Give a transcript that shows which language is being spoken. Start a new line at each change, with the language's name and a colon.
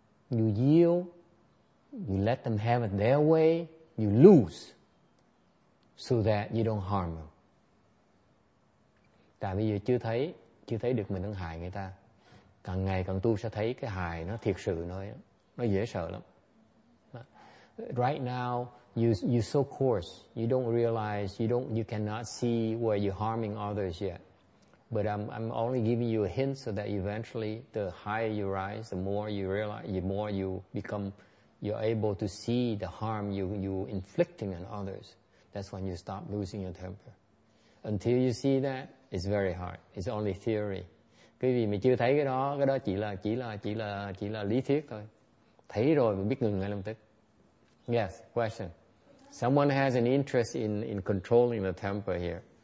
English: You yield, you let them have it their way, you lose so that you don't harm them.
Vietnamese: Tại bây giờ chưa thấy được mình đang hại người ta. Càng ngày càng tu sẽ thấy cái hài nó thiệt sự nó dễ sợ lắm.
English: Right now you so coarse, you don't realize, you cannot see where you're harming others yet. But I'm only giving you a hint so that eventually the higher you rise, the more you realize, the more you become, you're able to see the harm you inflicting on others. That's when you stop losing your temper. Until you see that, it's very hard. It's only theory.
Vietnamese: Cái gì mà chưa thấy cái đó chỉ là lý thuyết thôi. Thấy rồi mình biết ngừng ngay lập tức.
English: Yes, question. Someone has an interest in controlling the temper here.